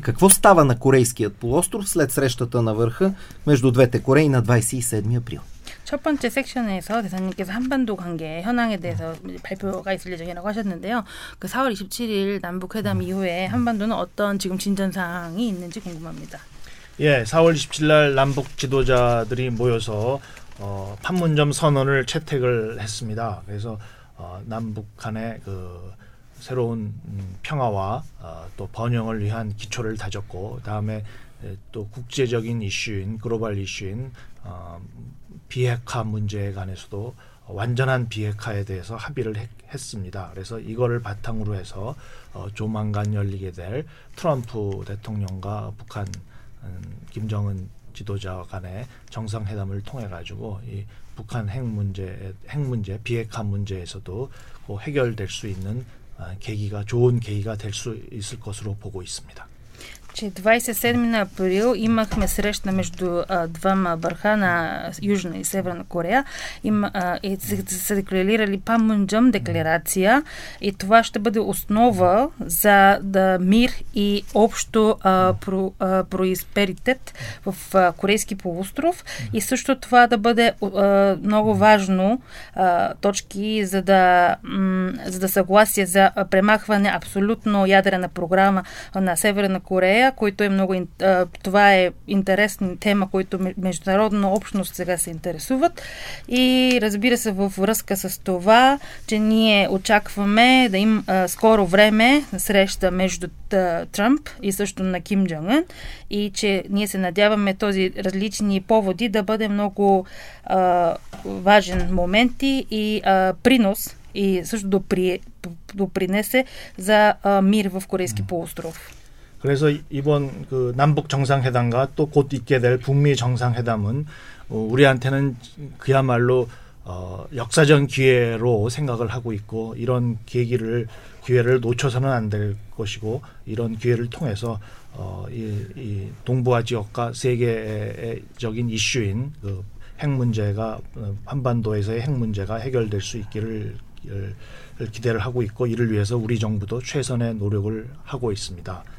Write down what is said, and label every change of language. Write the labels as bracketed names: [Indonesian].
[Bulgarian] Какво става на корейският полуостров след срещата на върха между двете Кореи на 27 април? [Korean] 첫 번째 섹션에서 대사님께서 한반도 관계 현황에 대해서 발표가 있을 예정이라고 하셨는데요. 그 4월 27일 남북회담 이후에 한반도는 어떤 지금 진전사항이 있는지 궁금합니다. 예, 4월 27일 날 남북 지도자들이 모여서 판문점 선언을 채택을 했습니다. 그래서 남북 간의 그 새로운 평화와 또 번영을 위한 기초를 다졌고 다음에 또 국제적인 이슈인 글로벌 이슈인 비핵화 문제에 관해서도 완전한 비핵화에 대해서 합의를 했습니다. 그래서 이거를 바탕으로 해서 조만간 열리게 될 트럼프 대통령과 북한 김정은 지도자 간의 정상회담을 통해 가지고 이 북한 핵 문제 비핵화 문제에서도 해결될 수 있는 계기가 좋은 계기가 될 수 있을 것으로 보고 있습니다. [Bulgarian] 27 април имахме среща между двама върха на Южна и Северна Корея. Са декларирали Панмунджом декларация и това ще бъде основа за мир и общо просперитет в Корейски полуостров и също това да бъде много важно точки за съгласие за премахване абсолютно ядрена програма на Северна Корея, който е много. Това е интересна тема, която международна общност сега се интересуват. И разбира се, във връзка с това, че ние очакваме да им скоро време среща между Тръмп и също на Ким Джонг Ън, и че ние се надяваме този различни поводи да бъде много важен момент и принос и също допринесе за мир в Корейски полуостров. [Korean] 그래서 이번 그 남북 정상회담과 또 곧 있게 될 북미 정상회담은 우리한테는 그야말로 역사적 기회로 생각을 하고 있고 이런 기회를 놓쳐서는 안 될 것이고 이런 기회를 통해서 이 동북아 지역과 세계적인 이슈인 그 핵 문제가 한반도에서의 핵 문제가 해결될 수 있기를 기대를 하고 있고 이를 위해서 우리 정부도 최선의 노력을 하고 있습니다.